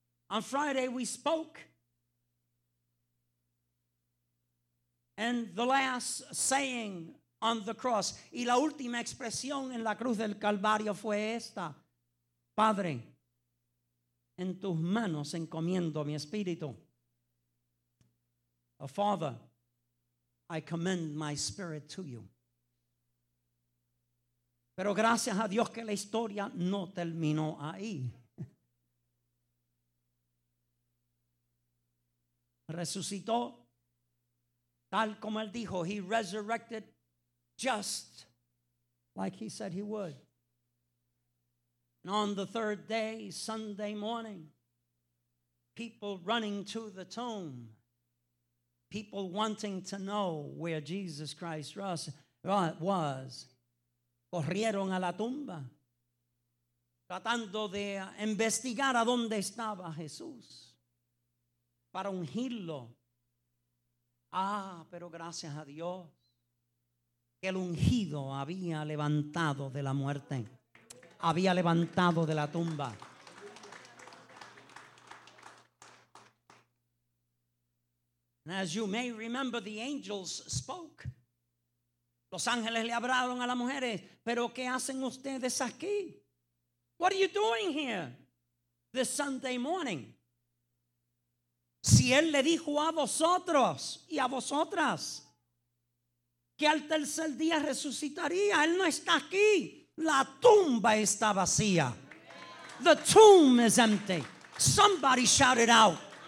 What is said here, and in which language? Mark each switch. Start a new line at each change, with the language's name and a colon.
English: On Friday we spoke, and the last saying on the cross,
Spanish: y la última expresión en la cruz del Calvario fue esta: Padre, en tus manos encomiendo mi espíritu.
English: Oh, Father, I commend my spirit to you.
Spanish: Pero gracias a Dios que la historia no terminó ahí. Resucitó tal como él dijo.
English: He resurrected just like he said he would. And on the third day, Sunday morning, people running to the tomb, people wanting to know where Jesus Christ was,
Spanish: corrieron a la tumba, tratando de investigar a dónde estaba Jesús, para ungirlo. Ah, pero gracias a Dios, el ungido había levantado de la muerte, había levantado de la tumba.
English: And as you may remember, the angels spoke.
Spanish: Los ángeles le hablaron a las mujeres, pero ¿qué hacen ustedes aquí?
English: What are you doing here this Sunday morning?
Spanish: Si él le dijo a vosotros y a vosotras que al tercer día resucitaría, él no está aquí. La tumba está vacía.
English: The tomb is empty. Somebody shout it out.